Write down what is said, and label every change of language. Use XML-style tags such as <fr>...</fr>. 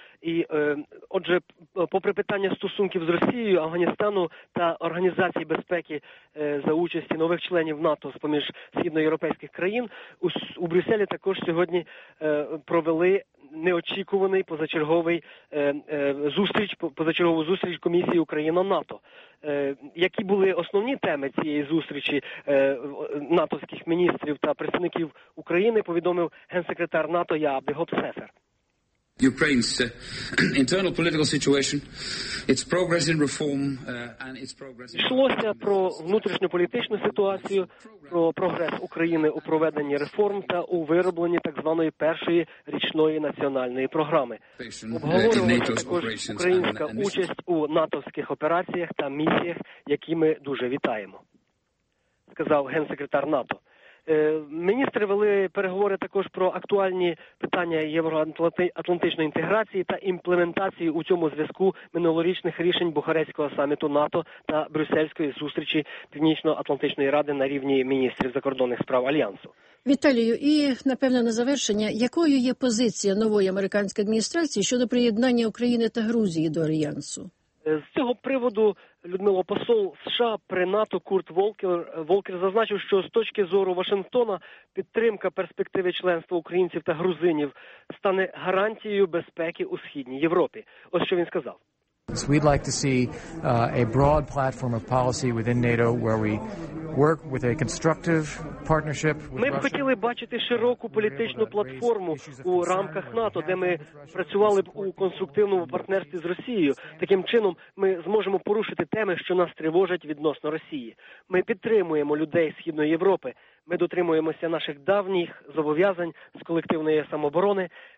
<uk>І, отже, попри питання стосунків з Росією, Афганістану та Організації безпеки за участі нових членів НАТО з-поміж східноєвропейських країн, у Брюсселі також сьогодні провели неочікуваний позачергову зустріч Комісії Україна-НАТО. Які були основні теми цієї зустрічі натовських міністрів та представників України, повідомив генсекретар НАТО Яабди Гопсхефер.</uk> <en>Ukraine's internal political situation, its progress in reform and its progress.</en> <uk>Йшлося про внутрішньополітичну ситуацію, про прогрес України у проведенні реформ та у виробленні так званої першої річної національної програми. Обговорювалася також українська участь у натовських операціях та місіях, які ми дуже вітаємо, сказав генсекретар НАТО. Міністри вели переговори також про актуальні питання євроатлантичної інтеграції та імплементації у цьому зв'язку минулорічних рішень Бухарестського саміту НАТО та брюссельської зустрічі Північно-Атлантичної ради на рівні міністрів закордонних справ Альянсу. Віталію, і, напевно, на завершення, якою є позиція нової американської адміністрації щодо приєднання України та Грузії до Альянсу? З цього приводу, Людмило, посол США при НАТО Курт Волкер зазначив, що з точки зору Вашингтона підтримка перспективи членства українців та грузинів стане гарантією безпеки у Східній Європі. Ось що він сказав.</uk> <en>So we'd like to see a broad platform of policy within NATO where we work with a constructive partnership.</en> <uk>Ми б хотіли бачити широку політичну платформу у рамках НАТО, де ми працювали б у конструктивному партнерстві з Росією. Таким чином ми зможемо порушити теми, що нас тривожать відносно Росії. Ми підтримуємо людей Східної Європи. Ми дотримуємося наших давніх зобов'язань з колективної самооборони.</uk>